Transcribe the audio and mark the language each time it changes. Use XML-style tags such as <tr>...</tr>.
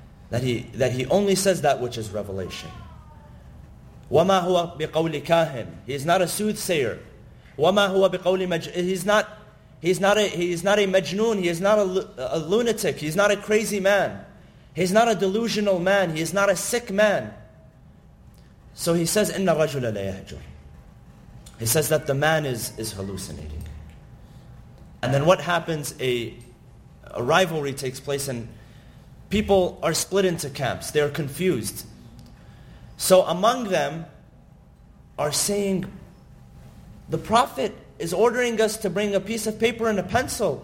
<en>That he only says that which is revelation.</en> <ar>وما هو بقول كاهن.</ar> <en>He is not a soothsayer.</en> <ar>وما هو بقول مجنون.</ar> <en>He is not a majnoon. He is not a lunatic. He is not a crazy man. He is not a delusional man. He is not a sick man. So he says,</en> <ar>إن الرجل لا يهجر.</ar> <en>He says that the man is hallucinating. And then what happens? A rivalry takes place and people are split into camps. They are confused. So among them are saying, the Prophet is ordering us to bring a piece of paper and a pencil.</en>